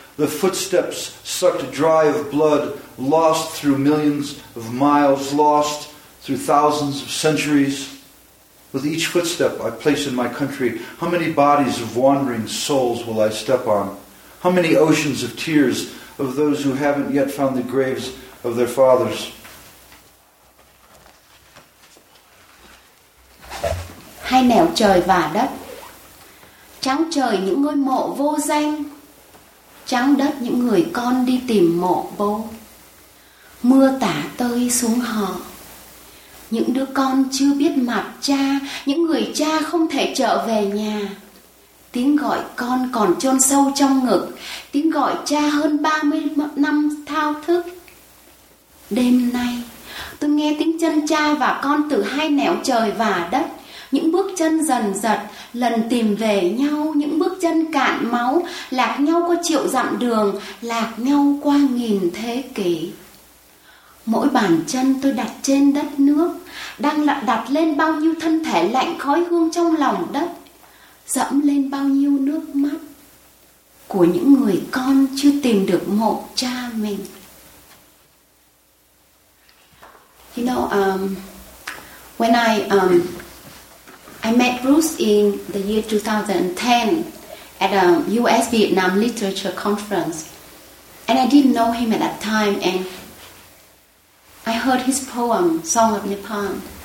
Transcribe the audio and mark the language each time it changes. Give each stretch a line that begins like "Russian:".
English: The footsteps sucked dry of blood, lost through millions of miles, lost through thousands of centuries. With each footstep I place in my country, how many bodies of wandering souls will I step on? How many oceans of tears of those who haven't yet found the graves of their fathers?
Vietnamese: Hai nẻo trời và đất, trắng trời những ngôi mộ vô danh, trắng đất những người con đi tìm mộ bố. Mưa tả tơi xuống họ, những đứa con chưa biết mặt cha, những người cha không thể trở về nhà. Tiếng gọi con còn chôn sâu trong ngực, tiếng gọi cha hơn 30 năm thao thức. Đêm nay, tôi nghe tiếng chân cha và con từ hai nẻo trời và đất, những bước chân dần dật, lần tìm về nhau, những bước chân cạn máu, lạc nhau qua triệu dặm đường, lạc nhau qua nghìn thế kỷ. Mỗi bàn chân tôi đặt trên đất nước, đang đặt lên bao nhiêu thân thể lạnh khói hương trong lòng đất, dẫm lên bao nhiêu nước mắt của những người con chưa tìm được mộ cha mình.
English: You know, when I met Bruce in the year 2010 at a US Vietnam Literature Conference, and I didn't know him at that time, and I heard his poem, Song of Nippon.